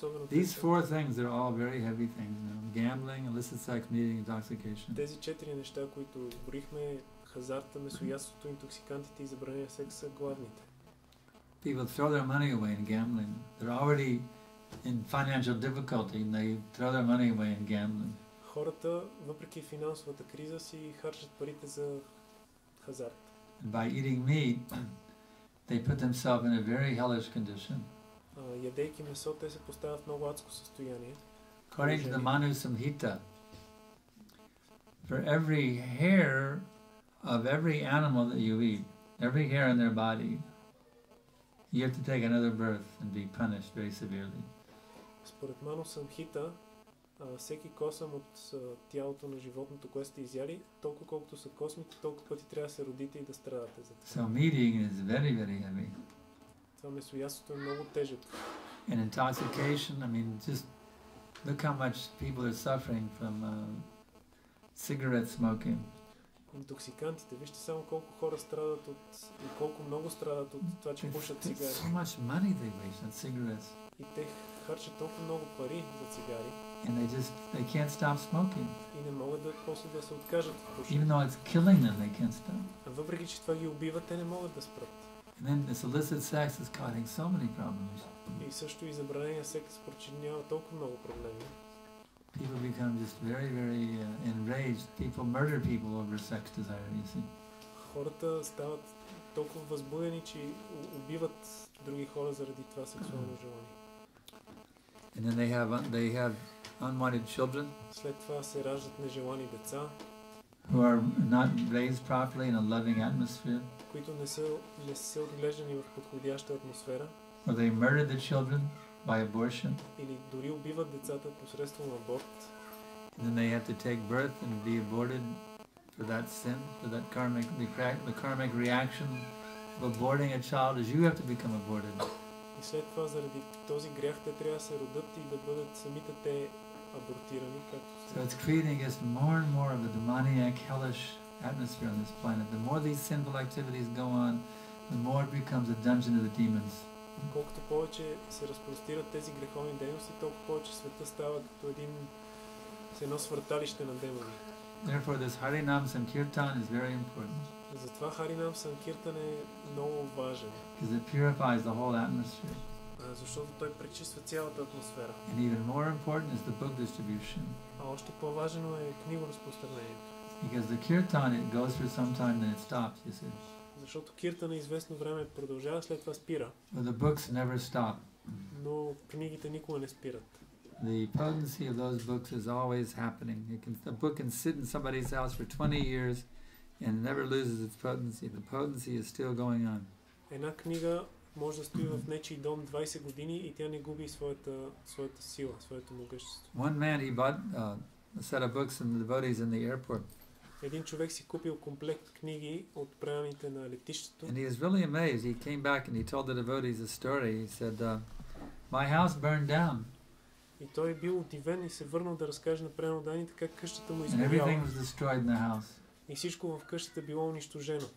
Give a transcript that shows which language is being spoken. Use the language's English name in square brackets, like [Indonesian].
[English] These four things are all very heavy things. You know? Gambling, illicit sex, meeting, intoxication. [Bulgarian] Тези четири неща, които изброихме, хазарта, месоядството, интоксикантите и забранения секс са главните. [English] People throw their money away in gambling. They're already in financial difficulty and they throw their money away in gambling. [Bulgarian] Хората, въпреки финансовата криза, си харчат парите за хазарт. [English] By eating meat, they put themselves in a very hellish condition. [Bulgarian] Ядейки месо, те се поставят в много адско състояние. [English] According to the Manu Samhita, for every hair of every animal that you eat, every hair in their body, you have to take another birth and be punished very severely. [Bulgarian] Според Manu Samhita, всеки косъм от тялото на животното, което сте изяли, толкова колкото са космите, толкова пъти трябва да се родите и да страдате за това. [English] So meat eating is very, very heavy. [Bulgarian] Това месоядството е много тежък. [English] And intoxication, I mean, just look how much people are suffering from cigarette smoking. [Bulgarian] Интоксикантите, вижте само колко хора страдат от и колко много страдат от това, че пушат цигари. [English] So much money they waste on cigarettes. [Bulgarian] И те харчат толкова много пари за цигари. [English] And they can't stop smoking. [Bulgarian] И не могат да после да се откажат от пушенето. [English] Even though it's killing them, they can't stop. [Bulgarian] Въпреки че това ги убива, те не могат да спрат. [English] And then this illicit sex is causing so many problems. [Bulgarian] И също и забранения секс причинява толкова много проблеми. [English] People become just very, very enraged. People murder people over sex desire, you see. [Bulgarian] Хората стават толкова възбудени, че убиват други хора заради това сексуално желание. [English] And then they have unwanted children. [Bulgarian] След това се раждат нежелани деца. [English] Who are not raised properly in a loving atmosphere. [Bulgarian] Които не са отглеждани в подходяща атмосфера. [English] Or they murder the children by abortion. [Bulgarian] Или дори убиват децата посредством аборт. [English] And then they have to take birth and be aborted for that sin, for that karmic, the karmic reaction of aborting a child is you have to become aborted. [Bulgarian] И след това заради този грях те трябва да се родят и да бъдат самите те абортирани, както. [English] So it's creating just more and more of a demoniac, hellish atmosphere on this planet. The more these sinful activities go on, the more it becomes a dungeon of the demons. [Bulgarian] Колкото повече се разпростират тези греховни дейности, толкова повече света става като един едно свърталище на демони. [English] Therefore, this Harinam Sankirtan is very important. [Bulgarian] Затова Харинам Санкиртан е много важен. [English] Because it purifies the whole atmosphere. [Bulgarian] Защото той пречиства цялата атмосфера. [English] And even more important is the book distribution. [Bulgarian] А още по-важно е книго разпространението. [English] Because the kirtan it goes for some time then it stops, you see. [Bulgarian] Защото киртана известно време продължава, след това спира. [English] But the books never stop. [Bulgarian] Но книгите никога не спират. [English] The potency of those books is always happening. A book can sit in somebody's house for 20 years and never loses its potency. The potency is still going on. [Bulgarian] Една книга може да стои в нечий дом 20 години и тя не губи своята сила, своето могъщество. [English] One man, he bought a set of books from the devotees in the airport. [Bulgarian] Един човек си купил комплект книги от преданите на летището. [English] And he was really amazed. He came back and he told the devotees a story. He said, my house burned down. [Bulgarian] И той е бил удивен и се върнал да разкаже на преданите как къщата му изгоряла. И всичко в къщата било унищожено.